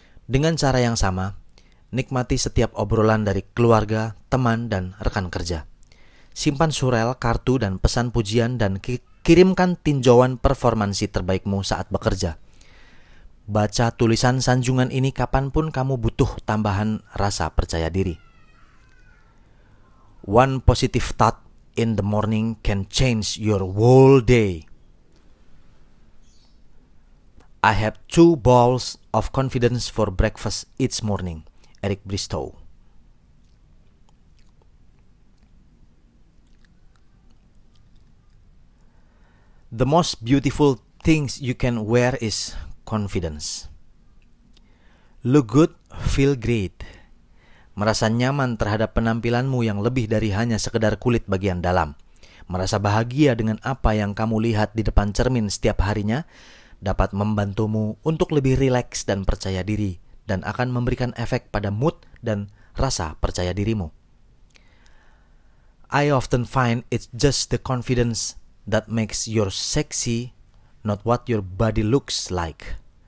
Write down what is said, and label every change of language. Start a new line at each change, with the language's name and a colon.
Indonesian: Dengan cara yang sama, nikmati setiap obrolan dari keluarga, teman, dan rekan kerja. Simpan surel, kartu, dan pesan pujian dan kirimkan tinjauan performansi terbaikmu saat bekerja. Baca tulisan sanjungan ini kapanpun kamu butuh tambahan rasa percaya diri.
English: One positive thought in the morning can change your whole day. I have two bowls of confidence for breakfast each morning. Eric Bristow. The most beautiful things you can wear is confidence. Look good, feel great.
Indonesian: Merasa nyaman terhadap penampilanmu yang lebih dari hanya sekedar kulit bagian dalam. Merasa bahagia dengan apa yang kamu lihat di depan cermin setiap harinya dapat membantumu untuk lebih rileks dan percaya diri dan akan memberikan efek pada mood dan rasa percaya dirimu.
English: I often find it's just the confidence that makes you sexy, not what your body looks like.